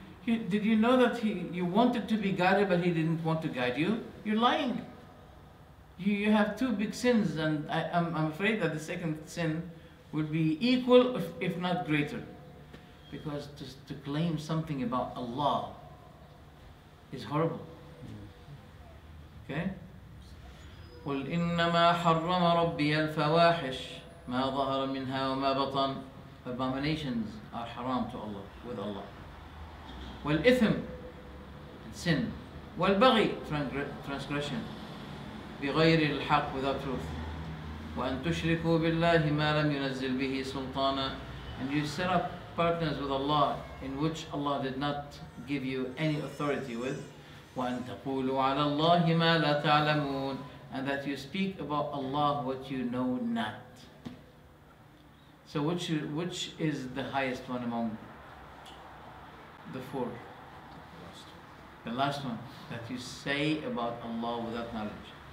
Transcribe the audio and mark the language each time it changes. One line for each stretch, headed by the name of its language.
English: Did you know that you wanted to be guided, but he didn't want to guide you? You're lying. You have two big sins, and I'm afraid that the second sin would be equal, if not greater. Because just to claim something about Allah is horrible. OK? Okay.
Arabic: قل إنما حرم ربي الفواحش ما ظهر منها وما بطن.
English: Abominations are haram to Allah, with Allah.
Arabic: والإثم,
English: sin.
Arabic: والبغي,
English: transgression.
Arabic: بغير الحق,
English: without truth.
Arabic: وأن تشركوا بالله ما لم ينزل به سلطانا.
English: And you set up partners with Allah in which Allah did not give you any authority with.
Arabic: وأن تقولوا على الله ما لا تعلمون.
English: And that you speak about Allah what you know not. So which is the highest one among the four? The last one, that you say about Allah without knowledge.